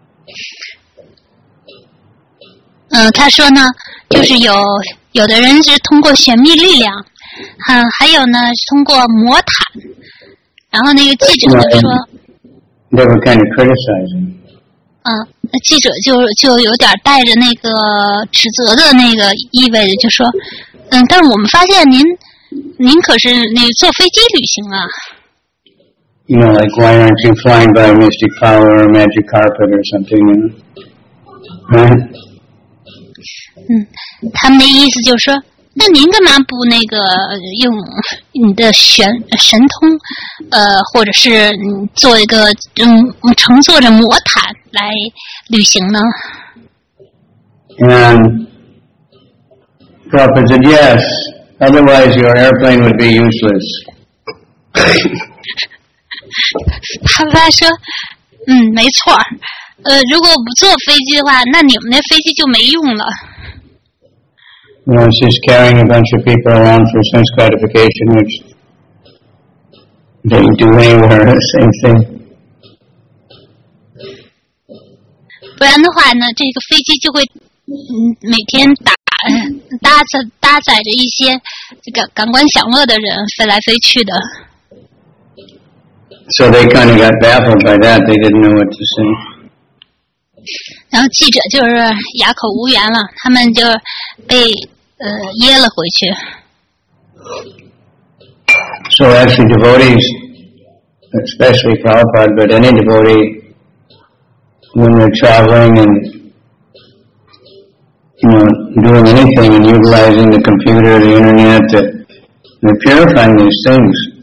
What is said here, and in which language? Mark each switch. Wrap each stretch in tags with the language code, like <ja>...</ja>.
<en>He said,</en> <zh>就是有的人是通过玄秘力量，还有呢是通过魔毯，然后那个记者就说</zh> <en>，They were kind of criticizing。</en> <zh>那记者就有点带着那个指责的那个意味的，就说，但我们发现您可是那坐飞机旅行啊。</zh> <en>You know, like why aren't you flying by mystic power or magic carpet or something? You know? Right.</en> <zh>他们的意思就是说，那您干嘛不那个用你的神通，或者是做一个乘坐着魔毯来旅行呢</zh> <en>？And Prabhupada said yes. Otherwise, your airplane would be useless.</en> <zh>他说，没错，如果不坐飞机的话，那你们那飞机就没用了。</zh> <en>You know, she's carrying a bunch of people around for sense gratification, which they do anywhere, same thing.</en> <zh>不然的话呢，这个飞机就会每天搭载着一些这个感官享乐的人飞来飞去的。</zh> <en>So they kind of got baffled by that. They didn't know what to say.</en> <zh>然后记者就是哑口无言了，他们就被噎了回去。</zh> <en>So actually, devotees, especially Prabhupada, but any devotee, when they're traveling and you know doing anything and utilizing the computer, the internet, they're purifying these things.</en>